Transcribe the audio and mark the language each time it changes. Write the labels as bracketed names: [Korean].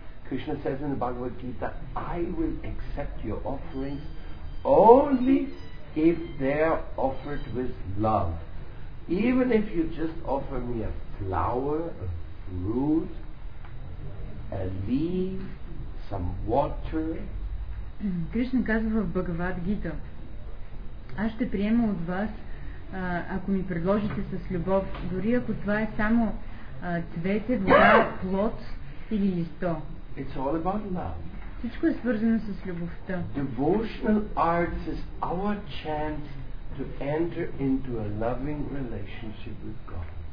[English] Krishna says in the Bhagavad Gita, I will accept your offerings only if they are offered with love. Even if you just offer me a flower, a fruit, a leaf, some water. [Bulgarian] Krishna казва в Bhagavad Gita, аз ще приема от вас, ако ми предложите с любов, дори ако това е само цвете, вода, плод или листо. [English] It's all about love. [Bulgarian] Всичко е свързано с любовта. [English] Devotional arts is our chance to enter into a loving relationship with God.